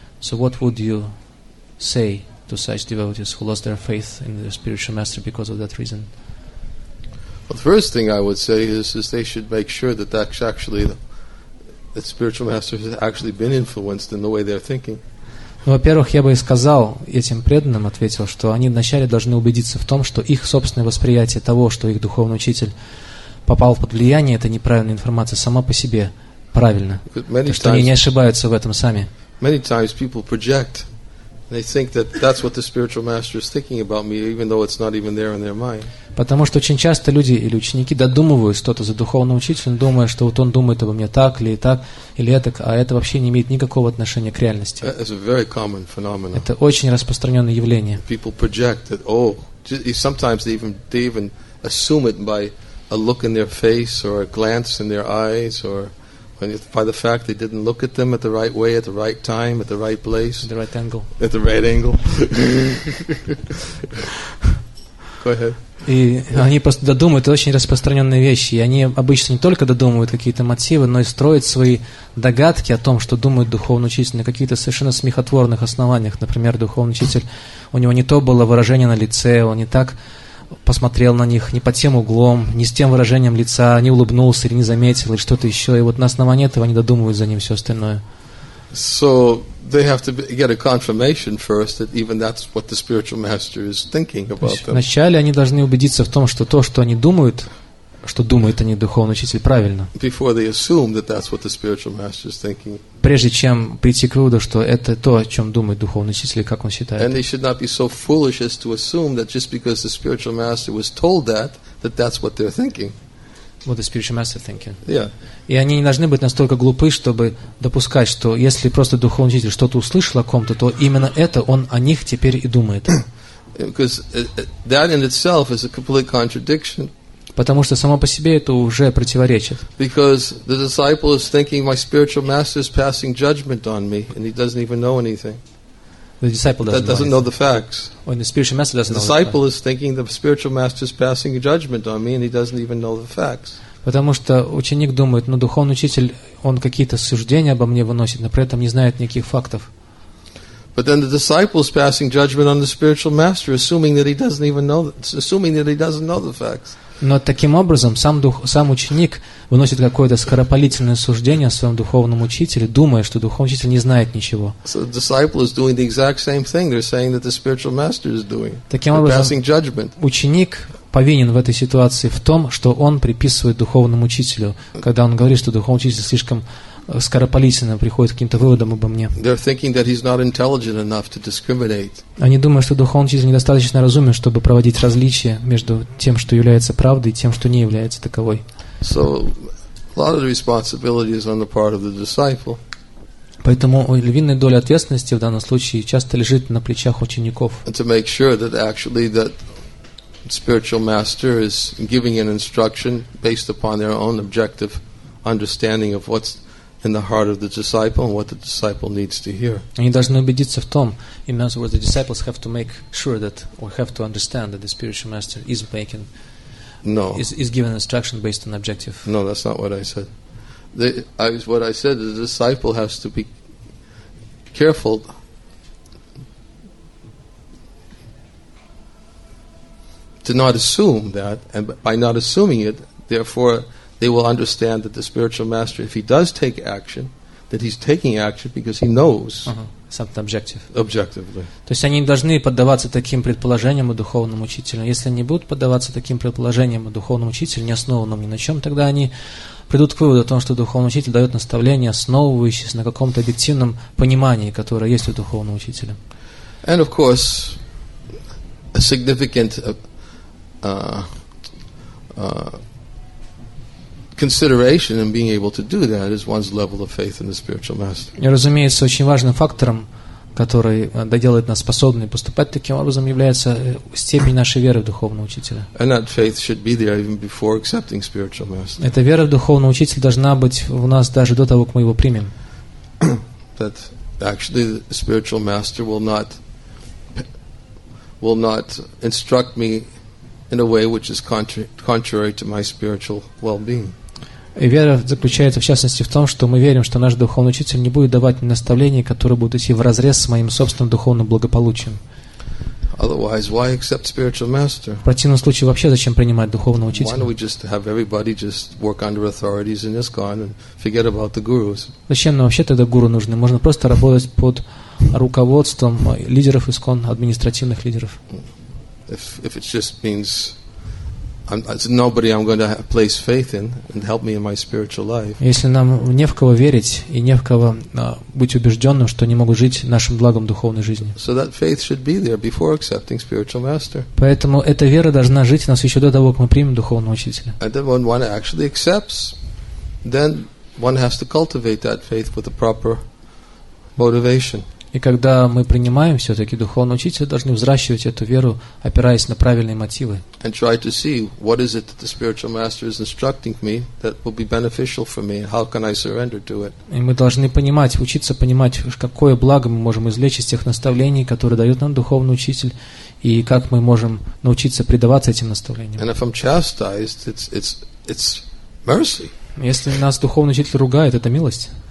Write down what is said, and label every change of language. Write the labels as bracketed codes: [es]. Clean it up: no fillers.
[en] So what would you say to such devotees who lost their faith in the spiritual master because of that reason? Well, the first thing I would say is they should make sure that that's actually the spiritual master has actually been influenced in the way they're thinking. [ru] Ну, во-первых, я бы сказал этим преданным, ответил, что они вначале должны убедиться в том, что их собственное восприятие того, что их духовный учитель попал под влияние этой неправильной информации, само по себе правильно. То, что они не ошибаются в этом сами. [en] Many times people project. They think that that's what the spiritual master is thinking about me, even though it's not even there in their mind. [ru] Потому что очень часто люди или ученики додумывают что-то за духовного учителя, думая, что вот он думает обо мне так, или это, а это вообще не имеет никакого отношения к реальности. [en] It's a very common phenomenon. [ru] Это очень распространенное явление. [en] People project that, oh, sometimes they even assume it by a look in their face or a glance in their eyes or by the fact they didn't look at them at the right way, at the right time, at the right place. At the right angle. At the right angle. Go ahead. [ru] И они просто додумывают, это очень распространенные вещи. И они обычно не только додумывают какие-то мотивы, но и строят свои догадки о том, что думает духовный учитель на каких-то совершенно смехотворных основаниях. Например, духовный учитель, у него не то было выражение на лице, он не так посмотрел на них не под тем углом, не с тем выражением лица, не улыбнулся или не заметил, или что-то еще. И вот на основании этого они додумывают за ним все остальное. [en] So they have to get a confirmation first that even that's what the spiritual master is thinking about them. [ru] Вначале они должны убедиться в том, что то, что они думают, что думает они духовный учитель, правильно. [en] Before they assume that that's what the spiritual master is thinking. [ru] Прежде чем прийти к выводу, что это то, о чем думает духовный учитель, как он считает. [en] And they should not be so foolish as to assume that just because the spiritual master was told that that's what they're thinking. What the spiritual master thinking. Yeah. [ru] И они не должны быть настолько глупы, чтобы допускать, что если просто духовный учитель что-то услышал о ком-то, то именно это он о них теперь и думает. [en] Because that in itself is a complete contradiction. [ru] Потому что само по себе это уже противоречит. [en] Because the disciple is thinking my spiritual master is passing judgment on me and he doesn't even know anything. The disciple doesn't know the facts. Or the spiritual master doesn't know the disciple is thinking the spiritual master is passing judgment on me and he doesn't even know the facts. [ru] Потому что ученик думает, ну, духовный учитель, он какие-то суждения обо мне выносит, но при этом не знает никаких фактов. [en] But then the disciple is passing judgment on the spiritual master, assuming that he doesn't know the facts. [ru] Но таким образом сам ученик выносит какое-то скоропалительное суждение о своем духовном учителе, думая, что духовный учитель не знает ничего. [en] So the disciple is doing the exact same thing. They're saying that the spiritual master is doing. [ru] Таким образом, ученик повинен в этой ситуации в том, что он приписывает духовному учителю, когда он говорит, что духовный учитель слишком скоропалительно приходит к каким-то выводам обо мне. [en] They're thinking that he's not intelligent enough to discriminate. [ru] Они думают, что духовный учитель недостаточно разумен, чтобы проводить различия между тем, что является правдой, и тем, что не является таковой. [en] So, a lot of the responsibility is on the part of the disciple. [ru] Поэтому львиная доля ответственности в данном случае часто лежит на плечах учеников. [en] And to make sure that actually that spiritual master is giving an instruction based upon their own objective understanding of what's in the heart of the disciple and what the disciple needs to hear. [ru] Они должны убедиться в том, [en] in other words, the disciples have to make sure that or have to understand that the spiritual master is making, no, is given instruction based on objective. No, that's not what I said. What I said, the disciple has to be careful. To not assume that, and by not assuming it, therefore, they will understand that the spiritual master, if he does take action, that he's taking action because he knows. Something objective. Objectively. [ru] То есть они должны поддаваться таким предположениям о духовном учителе. Если они будут поддаваться таким предположениям о духовном учителе, не основанном ни на чем, тогда они придут к выводу о том, что духовный учитель дает наставление, основывающееся на каком-то объективном понимании, которое есть у духовного учителя. [en] And of course, a significant consideration in being able to do that is one's level of faith in the spiritual master. [ru] И, разумеется, очень важным фактором, который доделает нас способными поступать таким образом, является степень нашей веры в духовного учителя. [en] And that faith should be there even before accepting spiritual master. [ru] Эта вера в духовного учителя должна быть у нас даже до того, как мы его примем. [en] That actually the spiritual master will not instruct me in a way which is contrary to my spiritual well-being. [ru] И вера заключается в частности в том, что мы верим, что наш духовный учитель не будет давать наставления, которые будут идти вразрез с моим собственным духовным благополучием. [en] Otherwise, why accept spiritual master? [ru] В противном случае вообще зачем принимать духовного учителя? [en] Why don't we just have everybody just work under authorities in ISKCON and forget about the gurus? [ru] Зачем нам вообще тогда гуру нужны? Можно просто работать под руководством лидеров ISKCON, административных лидеров. [en] If it just means it's nobody I'm going to place faith in and help me in my spiritual life. [ru] Если нам не в кого верить и не в кого быть убежденным, что не могу жить нашим благом духовной жизни. [en] So that faith should be there before accepting spiritual master. [ru] Поэтому эта вера должна жить у нас еще до того, как мы примем духовного учителя. [en] And then when one actually accepts, then one has to cultivate that faith with the proper motivation. [ru] И когда мы принимаем все-таки духовного учителя, должны взращивать эту веру, опираясь на правильные мотивы. [en] And try to see what is it that the spiritual master is instructing me that will be beneficial for me. How can I surrender to it? [ru] И мы должны понимать, учиться понимать, какое благо мы можем извлечь из тех наставлений, которые дает нам духовный учитель, и как мы можем научиться предаваться этим наставлениям. [en] And if I'm chastised, it's mercy. [ru] Если нас духовный учитель ругает, это милость.